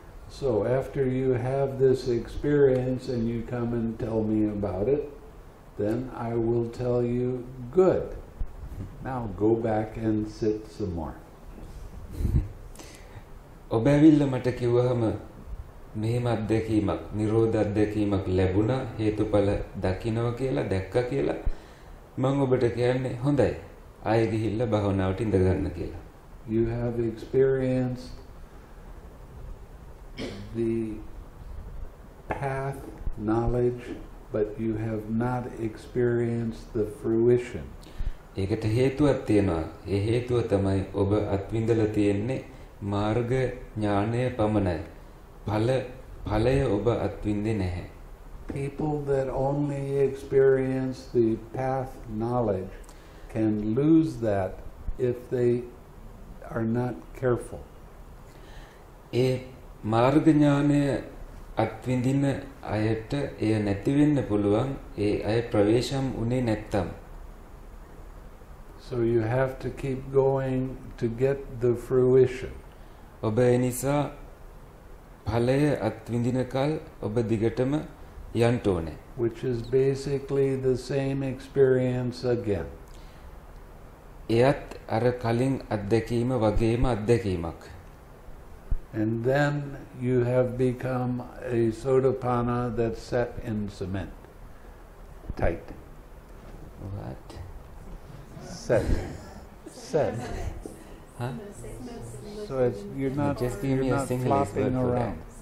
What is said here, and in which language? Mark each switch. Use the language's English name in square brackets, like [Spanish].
[English] So after you have this experience and you come and tell me about it, then I will tell you, good. Now go back and sit some more. [Sinhala] ඔබ ඇවිල්ලා මට කිව්වහම මෙහෙම අත්දැකීමක් නිරෝධ අත්දැකීමක් ලැබුණා හේතුඵල දකින්නවා කියලා දැක්කා කියලා මම ඔබට කියන්නේ හොඳයි ආයේ ගිහිල්ලා භවනාවට ඉඳගන්න කියලා. [English] You have experienced the path knowledge, but you have not experienced the fruition. [Sinhala] ඒකට හේතුවක් තියෙනවා. ඒ හේතුව තමයි ඔබ අත්විඳලා තියෙන්නේ මාර්ග ඥානය පමණයි. ඵලය ඔබ අත්විඳින්නේ නැහැ. [English] People that only experience the path knowledge can lose that if they are not careful. [Sinhala] ඒ මාර්ග ඥානය අත්විඳින අයට එය නැති වෙන්න පුළුවන් ඒ අය ප්‍රවේශම් උනේ නැත්තම්. [English] So you have to keep going to get the fruition. [Sinhala] ඔබ ඒ නිසා ඵලය අත්විඳිනකල් ඔබ දිගටම යන්න ඕනේ. [English] Which is basically the same experience again. [Sinhala] එයත් අර කලින් අත්දැකීම වගේම අත්දැකීමක්. [English] And then you have become a sotapanna that's set in cement. Tight. What? Set. Set. Huh? So it's, you're not flopping around.